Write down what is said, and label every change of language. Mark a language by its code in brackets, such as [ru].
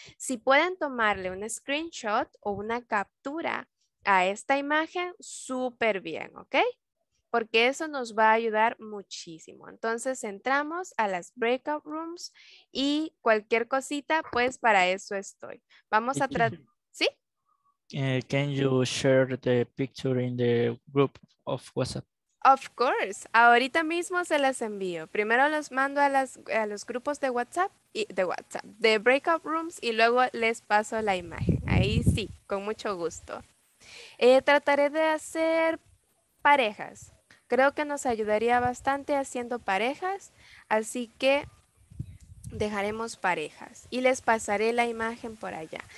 [es] Si pueden tomarle un screenshot o una captura a esta imagen, súper bien, ¿ok? Porque eso nos va a ayudar muchísimo. Entonces entramos a las breakout rooms y cualquier cosita, pues para eso estoy. Vamos a tratar, ¿sí? [en] Can you share the picture in the group of WhatsApp? Of course. [es] Ahorita mismo se las envío. Primero los mando a los grupos de WhatsApp y de WhatsApp, de breakout rooms, y luego les paso la imagen. Ahí sí, con mucho gusto. Trataré de hacer parejas. Creo que nos ayudaría bastante haciendo parejas, así que dejaremos parejas y les pasaré la imagen por allá.